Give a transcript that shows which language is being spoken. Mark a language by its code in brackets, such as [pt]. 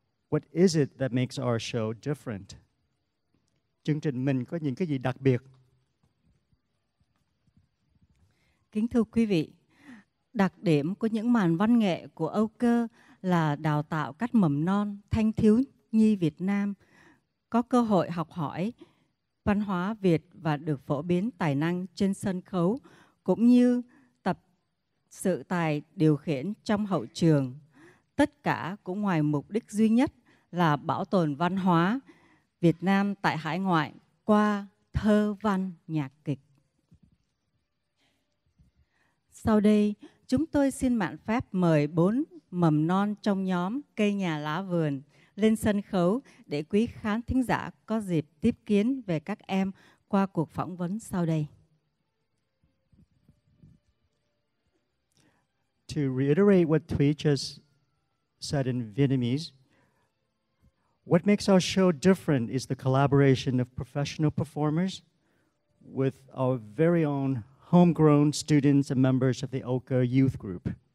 [en] What is it that makes our show different? [vi] Chương trình mình có những cái gì đặc biệt? Kính thưa quý vị, đặc điểm của những màn văn nghệ của Âu Cơ là đào tạo các mầm non, thanh thiếu nhi Việt Nam có cơ hội học hỏi văn hóa Việt và được phổ biến tài năng trên sân khấu, cũng như tập sự tài điều khiển trong hậu trường. Tất cả cũng ngoài mục đích duy nhất là bảo tồn văn hóa Việt Nam tại hải ngoại qua thơ văn nhạc kịch. Sau đây, chúng tôi xin mạn phép mời 4 mầm non trong nhóm Cây Nhà Lá Vườn lên sân khấu để quý khán thính giả có dịp tiếp kiến về các em qua cuộc phỏng vấn sau đây. [en] To reiterate what Thuy just said in Vietnamese, what makes our show different is the collaboration of professional performers with our very own homegrown students and members of the Ochre Youth Group.